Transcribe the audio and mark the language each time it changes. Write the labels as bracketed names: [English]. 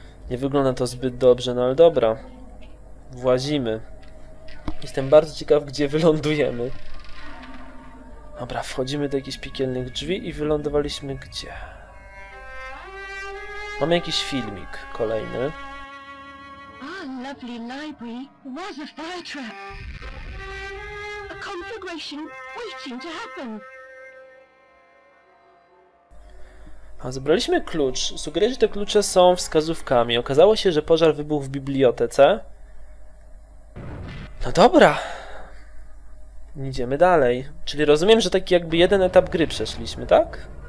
[Polish] Nie wygląda to zbyt dobrze, no ale dobra. Włazimy. Jestem bardzo ciekaw, gdzie wylądujemy. Dobra, wchodzimy do jakichś piekielnych drzwi i wylądowaliśmy gdzie? Mamy jakiś filmik kolejny. [English] Our lovely library was a fire trap. A conflagration waiting to happen. [Polish] A zebraliśmy klucz. Sugeruję, że te klucze są wskazówkami. Okazało się, że pożar wybuchł w bibliotece. No dobra. Idziemy dalej. Czyli rozumiem, że taki jakby jeden etap gry przeszliśmy, tak?